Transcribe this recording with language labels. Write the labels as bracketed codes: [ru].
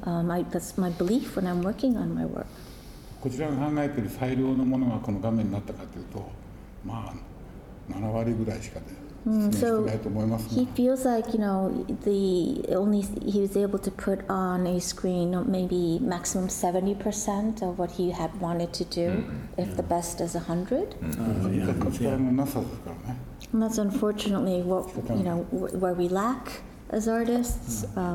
[en] That's my belief when I'm working on my work. [ja] こちらが考えている最良のものがこの画面になったかというと、まあ7割ぐらいしかで。 [en] So he feels like, you know, the only he was able to put on a screen maybe maximum 70% of what he had wanted to do, if the best is 100. And that's unfortunately what, you know, where we lack as artists.